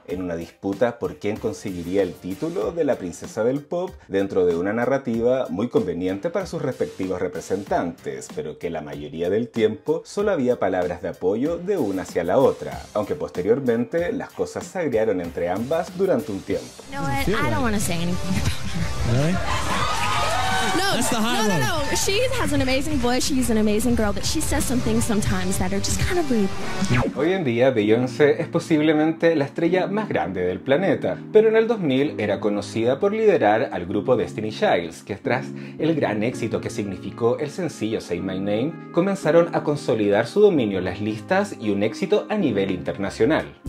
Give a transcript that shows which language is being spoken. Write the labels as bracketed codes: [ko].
[es] En una disputa por quién conseguiría el título de la princesa del pop dentro de una narrativa muy conveniente para sus respectivos representantes, pero que la mayoría del tiempo solo había palabras de apoyo de una hacia la otra, aunque posteriormente las cosas se agriaron entre ambas durante un tiempo. [en] No, I don't want to say anything. Really? No. She has an amazing voice. She's an amazing girl, but she says some things sometimes that are just kind of rude. [es] Hoy en día, Beyoncé es posiblemente la estrella más grande del planeta, pero en el 2000 era conocida por liderar al grupo Destiny Childs, que tras el gran éxito que significó el sencillo Say My Name, comenzaron a consolidar su dominio en las listas y un éxito a nivel internacional.